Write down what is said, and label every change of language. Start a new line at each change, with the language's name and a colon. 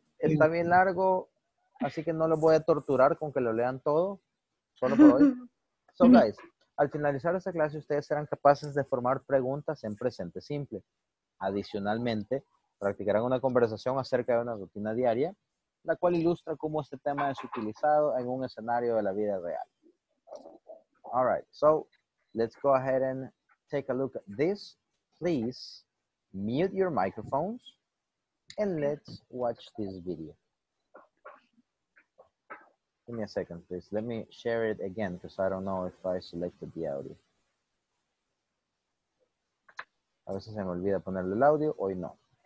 Spanish: Está bien largo, así que no lo voy a torturar con que lo lean todo. Solo por hoy.
English: So, guys,
Spanish: al finalizar esta clase, ustedes serán capaces de formar preguntas en presente simple. Adicionalmente, practicarán una conversación acerca de una rutina diaria, la cual ilustra cómo este tema es utilizado en un escenario de la vida real.
English: All right, so let's go ahead and take a look at this. Please mute your microphones and let's watch this video. Give me a second, please. Let me share it again because I don't know if I selected the audio.
Spanish: A veces se me olvida ponerle el audio, hoy no.